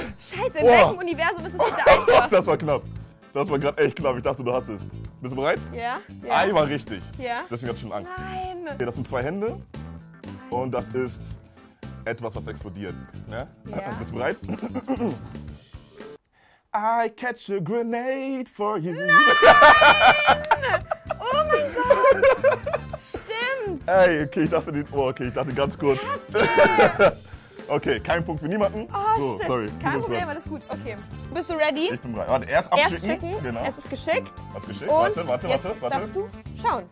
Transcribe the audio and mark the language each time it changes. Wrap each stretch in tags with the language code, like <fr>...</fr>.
<de>Scheiße, in welchem Universum ist es bitte einfach? Das war knapp. Das war gerade echt knapp. Ich dachte, du hast es. Bist du bereit? Ja. I war richtig. Ja. Deswegen hatte ich schon Angst. Nein. Okay, das sind 2 Hände. Und das ist etwas, was explodiert. Ne? Ja. Bist du bereit?</de> <en>I catch a grenade for you.</en> <de>Nein! Oh mein Gott! Stimmt! Ey, okay, ich dachte ganz kurz. Okay, kein Punkt für niemanden.</de> <en>Oh, so, shit.</en> <de>Sorry. Kein Problem, alles gut. Okay. Bist du ready? Ich bin bereit. Warte, erst abschicken. Erst checken. Genau. Es ist geschickt. Hast geschickt? Und warte. Darfst du schauen.</de>